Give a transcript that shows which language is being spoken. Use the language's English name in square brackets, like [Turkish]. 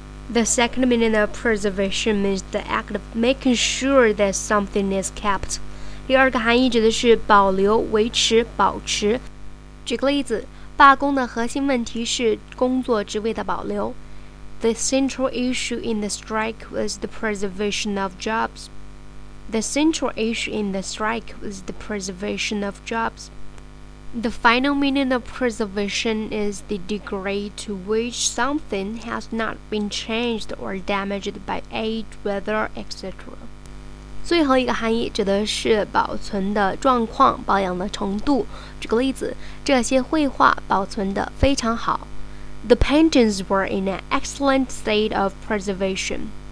[English] The second meaning of preservation means the act of making sure that something is kept. [Chinese] 第二个含义指的是保留、维持、保持。举个例子，罢工的核心问题是工作职位的保留。 [English] The central issue in the strike was the preservation of jobs. The final meaning of preservation is the degree to which something has not been changed or damaged by age, weather, etc. [Chinese] 最后一个含义指的是保存的状况、保养的程度。举个例子，这些绘画保存得非常好。 [English] The paintings were in an excellent state of preservation.